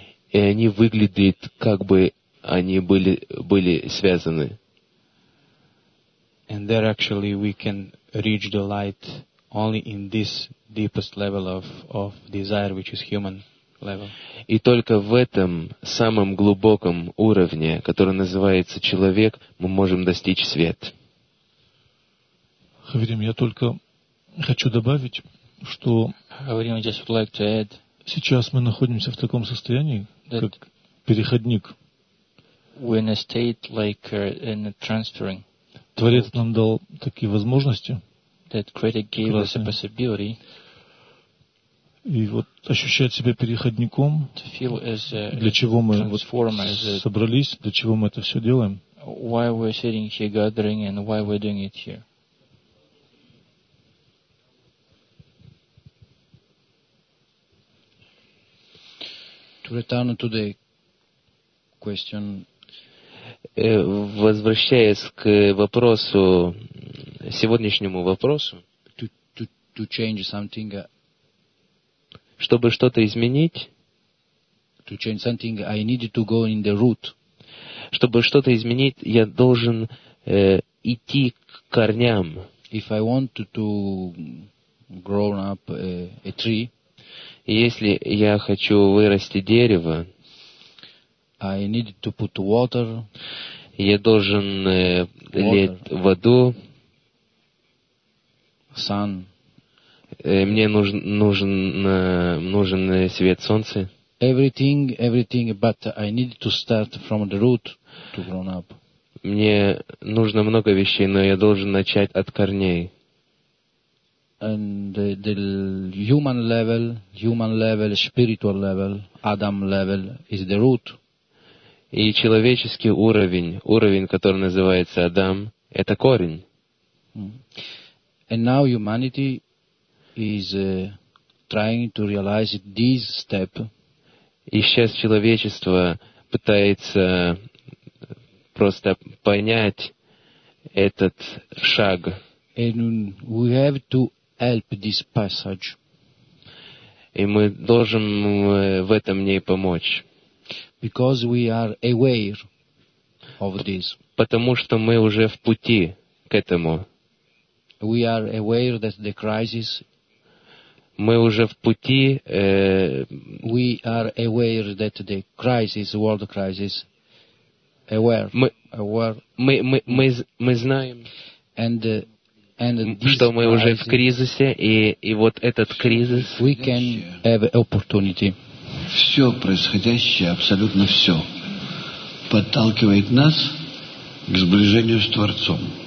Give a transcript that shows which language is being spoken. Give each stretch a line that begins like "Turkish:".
Russian: И они выглядят, как бы они были связаны.
English: And there actually we can reach the light only in this deepest level of desire, which is human level.
Russian: И только в этом самом глубоком уровне, который называется человек, мы можем достичь свет. Хаврим, я только хочу добавить, что
English: Хаврим, just would like to add,
Russian: сейчас мы находимся в таком состоянии, как переходник.
English: We're in a state like in a transferring.
Russian: Творец нам дал такие возможности.
English: That Creator gave us a possibility.
Russian: И вот ощущать себя переходником,
English: to feel as a,
Russian: для чего мы вот собрались, для чего мы это все делаем.
English: Why we're sitting here gathering and why we're doing it here. To return to the question.
Russian: Возвращаясь к вопросу, сегодняшнему вопросу,
English: to change something,
Russian: чтобы что-то изменить,
English: to change something, I need to go in the root.
Russian: Чтобы что-то изменить, я должен идти к корням.
English: If I want to grow up a tree,
Russian: если я хочу вырасти дерево,
English: I need to put water,
Russian: я должен лить воду.
English: Sun.
Russian: Мне нужен свет солнца.
English: Everything, but I need to start from the root to grow up.
Russian: Мне нужно много вещей, но я должен начать от корней.
English: And the human level, spiritual level, Adam level is the root.
Russian: И человеческий уровень, который называется Адам, это корень.
English: And now humanity is trying to realize this step.
Russian: И сейчас человечество пытается просто понять этот шаг.
English: And we have to help this passage.
Russian: И мы должны в этом ней помочь.
English: Because we are aware of this.
Russian: Потому что мы уже в пути к этому.
English: We are aware that the crisis.
Russian: Мы уже в пути.
English: We are aware that the crisis, world crisis, aware.
Russian: Мы знаем.
English: And
Russian: что мы уже в кризисе и вот этот кризис.
English: We can have opportunity.
Russian: Все происходящее, абсолютно все, подталкивает нас к сближению с Творцом.